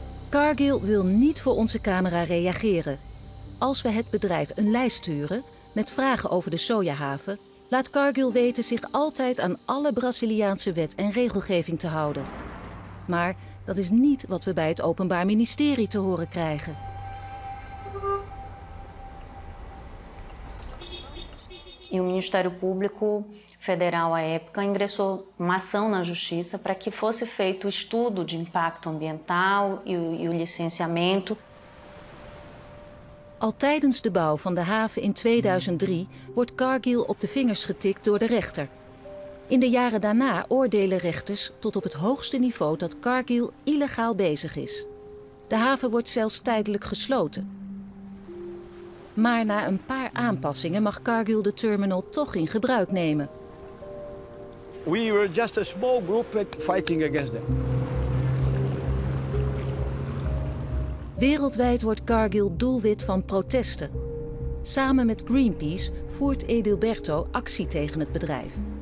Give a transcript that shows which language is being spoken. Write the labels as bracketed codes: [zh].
[nl] Cargill wil niet voor onze camera reageren. Als we het bedrijf een lijst sturen met vragen over de sojahaven, laat Cargill weten zich altijd aan alle Braziliaanse wet en regelgeving te houden. Maar dat is niet wat we bij het Openbaar Ministerie te horen krijgen. [pt] E o Ministério Público Federal à época ingressou uma ação na justiça para que fosse feito o estudo de impacto ambiental e o licenciamento. [nl] Al tijdens de bouw van de haven in 2003 wordt Cargill op de vingers getikt door de rechter. In de jaren daarna oordelen rechters tot op het hoogste niveau dat Cargill illegaal bezig is. De haven wordt zelfs tijdelijk gesloten. Maar na een paar aanpassingen mag Cargill de terminal toch in gebruik nemen. [en] We were just a small group fighting against them. [nl] Wereldwijd wordt Cargill doelwit van protesten. Samen met Greenpeace voert Edilberto actie tegen het bedrijf.